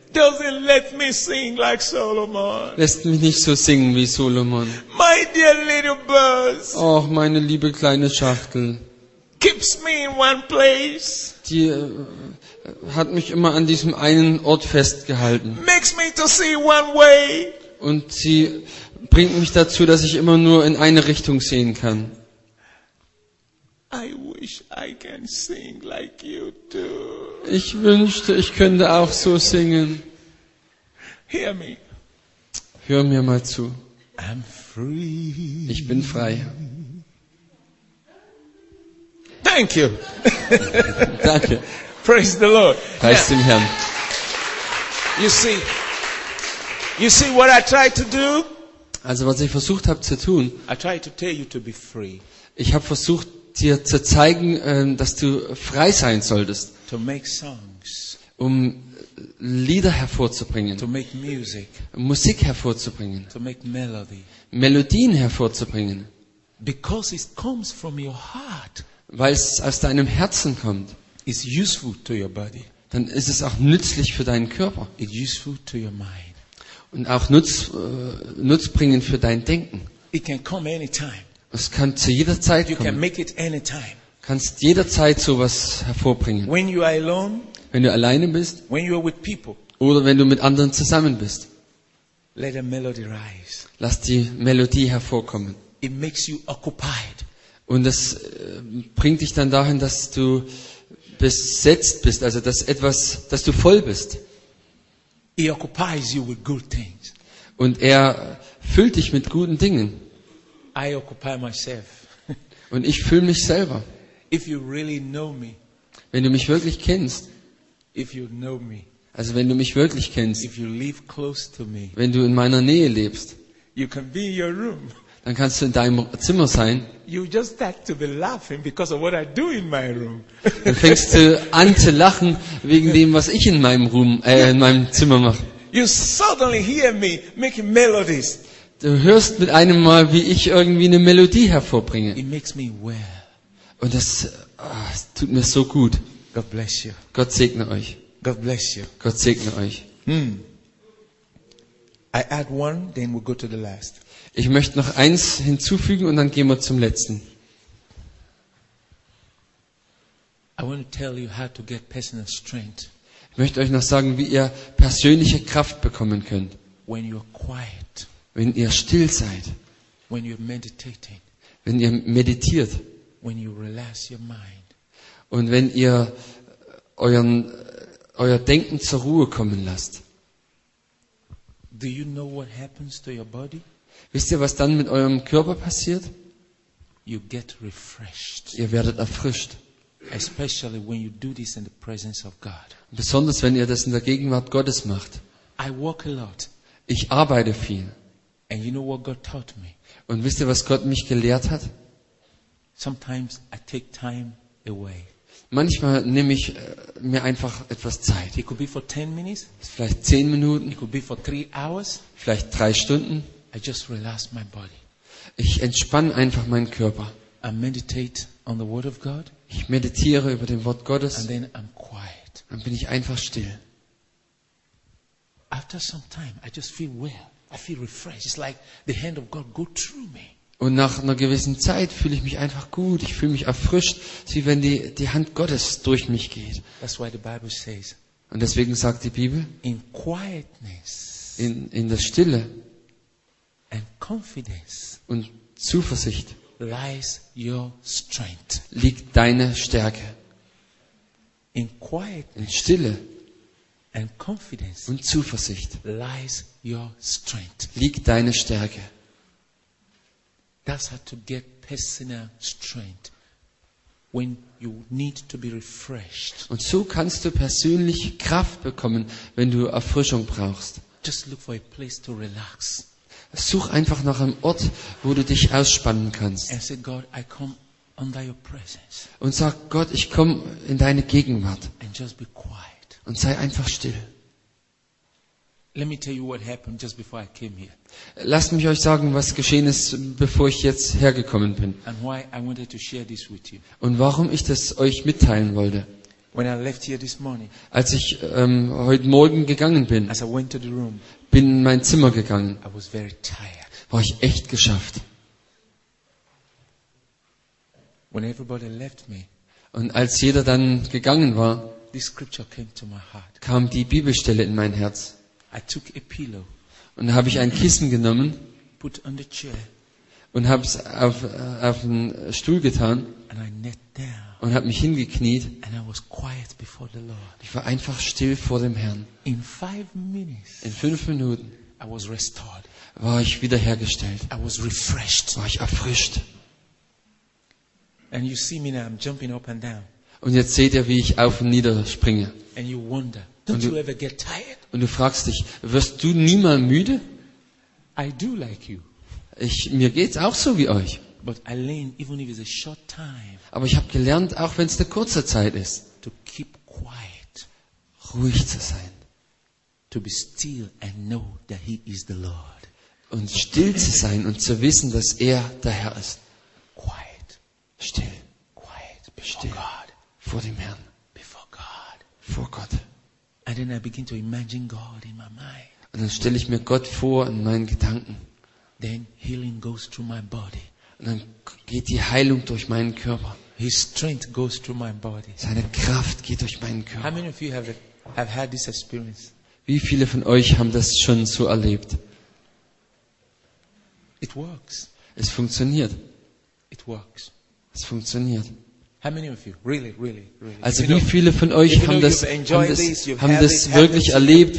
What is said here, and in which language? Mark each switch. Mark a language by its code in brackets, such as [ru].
[en] Doesn't let me sing like Solomon. [de] Lässt mich nicht so singen wie Solomon. [en] My dear little bus. [de] Och, meine liebe kleine Schachtel. [en] Keeps me in one place. [de] Die hat mich immer an diesem einen Ort festgehalten. [en] Makes me to see one way. [de] Und sie bringt mich dazu, dass ich immer nur in eine Richtung sehen kann. [en] I wish I can sing like you do. [de] Ich wünschte, ich könnte auch so singen. [en] Hear me. [de] Hör mir mal zu. [en] I'm free. [de] Ich bin frei. [en] Thank you. [de] Danke. [en] Praise the Lord. [de] Preist dem Herrn. [en] You see what I try to do? [de] Also was ich versucht habe zu tun, [en] I tried to tell you to be free. [de] Ich habe versucht, dir zu zeigen, dass du frei sein solltest, [en] to make songs, [de] um Lieder hervorzubringen, [en] to make music, [de] Musik hervorzubringen, [en] to make melody, [de] Melodien hervorzubringen, [en] because it comes from your heart, [de] weil es aus deinem Herzen kommt. [en] It's useful to your body. [de] Dann ist es auch nützlich für deinen Körper. [en] It's useful to your mind. [de] Und auch nutzbringend für dein Denken. [en] It can come anytime. [de] Es kann zu jeder Zeit [en] you [de] kommen. [en] Can make it anytime. [de] Kannst jederzeit sowas hervorbringen. [en] When you are alone, [de] wenn du alleine bist, [en] when you are with people, [de] oder wenn du mit anderen zusammen bist, [en] let a melody rise. [de] Lass die Melodie hervorkommen. [en] It makes you occupied. [de] Und das bringt dich dann dahin, dass du besetzt bist, also dass etwas, dass du voll bist. [en] He occupies you with good things. [de] Und er füllt dich mit guten Dingen. [en] I occupy myself. [de] Und ich fülle mich selber. [en] If you really know me, [de] wenn du mich wirklich kennst, [en] if you know me, [de] also wenn du mich wirklich kennst, [en] if you live close to me, [de] wenn du in meiner Nähe lebst, [en] you can be in your room. [de] Dann kannst du in deinem Zimmer sein. [en] You just start to be laughing because of what I do in my room. [de] Dann fängst du an zu lachen wegen dem, was ich in meinem Room, in meinem Zimmer mache. [en] You suddenly hear me making melodies. [de] Du hörst mit einem Mal, wie ich irgendwie eine Melodie hervorbringe. [en] It makes me well. [de] Und das tut mir so gut. [en] God bless you. [de] Gott segne euch. [en] God bless you. [de] Gott segne euch. [en] I add one, then we'll go to the last. [de] Ich möchte noch eins hinzufügen und dann gehen wir zum letzten. [en] I want to tell you how to get personal strength. [de] Ich möchte euch noch sagen, wie ihr persönliche Kraft bekommen könnt. [en] When you're quiet. [de] Wenn ihr still seid. [en] When you're meditating. [de] Wenn ihr meditiert. [en] When you relax your mind. [de] Und wenn ihr euer Denken zur Ruhe kommen lasst. [en] Do you know what happens to your body? [de] Wisst ihr, was dann mit eurem Körper passiert? [en] You get refreshed. [de] Ihr werdet erfrischt. [en] Especially when you do this in the presence of God. [de] Besonders wenn ihr das in der Gegenwart Gottes macht. [en] I work a lot. [de] Ich arbeite viel. [en] And you know what God taught me? [de] Und wisst ihr, was Gott mich gelehrt hat? [en] Sometimes I take time away. [de] Manchmal nehme ich mir einfach etwas Zeit. [en] It could be for 10 minutes. [de] Vielleicht 10 Minuten. [en] It could be for 3 hours. [de] Vielleicht 3 Stunden. [en] I just relax my body. [de] Ich entspanne einfach meinen Körper. [en] I meditate on the word of God. [de] Ich meditiere über dem Wort Gottes. [en] And then I'm quiet. [de] Dann bin ich einfach still. [en] After some time, I just feel well. I feel refreshed. It's like the hand of God go through me. [de] Und nach einer gewissen Zeit fühle ich mich einfach gut. Ich fühle mich erfrischt, wie wenn die Hand Gottes durch mich geht. [en] That's why the Bible says. [de] Und deswegen sagt die Bibel. [en] In quietness. [de] In der Stille. [en] And confidence [de] und Zuversicht [en] lies your strength. [de] Liegt deine Stärke. [en] In quietness [de] in Stille [en] and confidence [de] und Zuversicht [en] lies your strength. [de] Liegt deine Stärke. [en] That's how to get personal strength when you need to be refreshed. [de] Und so kannst du persönlich Kraft bekommen, wenn du Erfrischung brauchst. [en] Just look for a place to relax. [de] Such einfach nach einem Ort, wo du dich ausspannen kannst. [en] And say, God, I come under your presence. [de] Und sag, Gott, ich komme in deine Gegenwart. [en] And just be quiet. [de] Und sei einfach still. [en] Let me tell you what happened just before I came here. [de] Lasst mich euch sagen, was geschehen ist, bevor ich jetzt hergekommen bin. [en] And why I wanted to share this with you. [de] Und warum ich das euch mitteilen wollte. [en] When I left here this morning, [de] als ich heute Morgen gegangen bin, [en] as I went to the room, [de] bin in mein Zimmer gegangen, [en] I was very tired. [de] War ich echt geschafft. [en] When everybody left me, [de] und als jeder dann gegangen war, [en] this scripture came to my heart. [de] Kam die Bibelstelle in mein Herz. [en] I took a pillow, [de] und da habe ich ein Kissen genommen [en] put on the chair, [de] und habe es auf den Stuhl getan [en] and I knelt down. [de] Und habe mich hingekniet. [en] And I was quiet before the Lord. [de] Ich war einfach still vor dem Herrn. [en] In 5 minutes, [de] in 5 Minuten [en] I was restored. [de] War ich wiederhergestellt. [en] I was refreshed. [de] War ich erfrischt. [en] And you see me now, I'm jumping up and down. [de] Und jetzt seht ihr, wie ich auf und nieder springe. [en] And you wonder, don't you ever get tired? [de] Und du fragst dich, wirst du niemals müde? [en] I do like you. [de] mir geht's auch so wie euch. [en] But I learned, even if it's a short time, [de] aber ich habe gelernt, auch wenn es eine kurze Zeit ist, [en] to keep quiet, [de] ruhig zu sein, [en] to be still and know that he is the Lord. [de] Und still zu sein und zu wissen, dass er der Herr ist. [en] Quiet. [de] Still. [en] Quiet. [de] Still. [en] God. [de] Vor dem Herrn. [en] Before God. [de] Vor Gott. [en] And then I begin to imagine God in my mind. [de] Und dann stelle ich mir Gott vor in meinen Gedanken. [en] Then healing goes through my body. [de] Und dann geht die Heilung durch meinen Körper. [en] His strength goes through my body. [de] Seine Kraft geht durch meinen Körper. [en] How many of you have had this experience? [de] Wie viele von euch haben das schon so erlebt? [en] It works. [de] Es funktioniert. [en] It works. [de] Es funktioniert. [en] How many of you? Really, really, really. [de] Also wie viele von euch haben das wirklich erlebt?